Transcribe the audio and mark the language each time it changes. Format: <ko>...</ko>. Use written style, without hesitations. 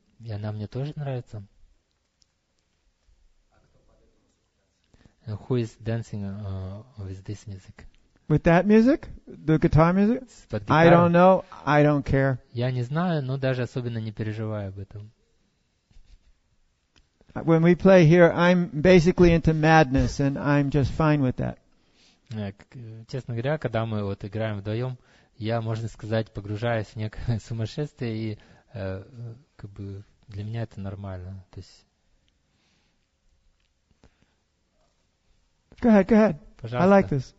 <ru>И она мне тоже нравится.</ru> <en>Who is dancing with this music? With that music? The guitar music? I don't know. I don't care.</en> <ru>Я не знаю, но даже особенно не переживаю об этом.</ru> <en>When we play here, I'm basically into madness, and I'm just fine with that.</en> <ru>Честно говоря, когда мы вот играем вдвоем, я, можно сказать, погружаюсь в некое сумасшествие, и как бы для меня это нормально. То есть...</ru> <en>Go ahead, go ahead.</en> <ru>Пожалуйста,</ru> <en>I like this.</en>